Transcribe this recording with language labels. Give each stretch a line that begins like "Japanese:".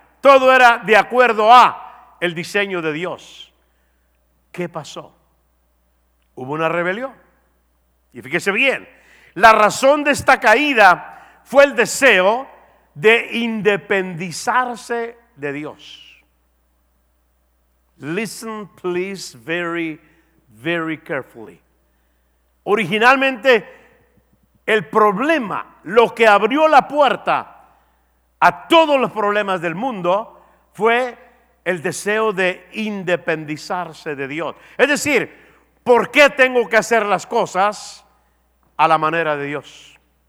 Spanish: Todo era de acuerdo a el diseño de Dios. ¿Qué pasó? Hubo una rebelión. Y fíjese bien, la razón de esta caída fue el deseo de independizarse de Dios.
English: Listen, please, very, very carefully.
Spanish: Originalmente, el problema, lo que abrió la puerta a todos los problemas del mundo, fue el deseo de independizarse de Dios. Es decir, ¿por qué tengo que hacer las cosas a la manera de Dios?